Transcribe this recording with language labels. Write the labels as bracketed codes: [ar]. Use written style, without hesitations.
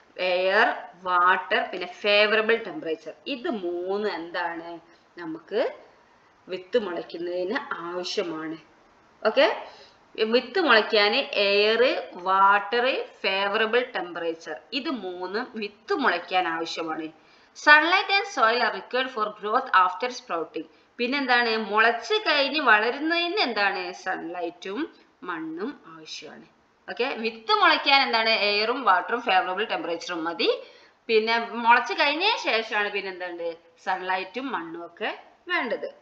[ml] Air, water പിന്നെ favourable temperature, ഇത് മൂന്ന് എന്താണ് നമുക്ക് വിത്ത് മുളയ്ക്കുന്നതിന് ആവശ്യമാണ്. ഓക്കെ, വിത്ത് മുളയ്ക്കാൻ എയർ, വാട്ടർ, ഫേവറബിൾ ടെമ്പറേച്ചർ, ഇത് മൂന്നും വിത്ത് മുളയ്ക്കാൻ ആവശ്യമാണ്. [en] Sunlight and soil are required for growth after sprouting. [ml] പിന്നെന്താണ് മുളച്ച് കഴിഞ്ഞ് വളരുന്നതിന് എന്താണ് സൺലൈറ്റും മണ്ണും ആവശ്യമാണ്. ഓക്കെ, വിത്ത് മുളയ്ക്കാൻ എന്താണ് എയറും വാട്ടറും ഫേവറബിൾ ടെമ്പറേച്ചറും മതി. പിന്നെ മുളച്ച് കഴിഞ്ഞ ശേഷമാണ് പിന്നെന്താണ്ട് സൺലൈറ്റും മണ്ണും ഒക്കെ വേണ്ടത്.